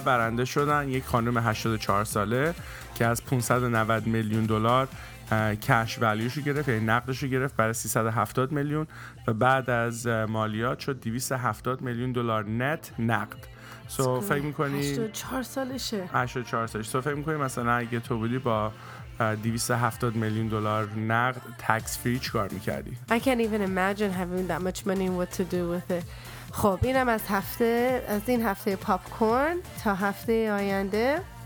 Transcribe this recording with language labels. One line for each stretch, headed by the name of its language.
Persian: برنده شدن یک خانم 84 ساله که از 590 میلیون دلار کش ولیوشو گرفت یعنی نقدشو گرفت برای 370 میلیون و بعد از مالیات شد 270 میلیون دلار نت نقد سو فکر می‌کنی 84 سالشه سو فکر می‌کنی مثلا اگه تو بودی با 270 میلیون دلار نقد تکس فری چیکار می‌کردی؟
English: I can't even imagine having that much money and what to do with it.
Persian: خب اینم از هفته از این هفته پاپ کورن تا هفته آینده.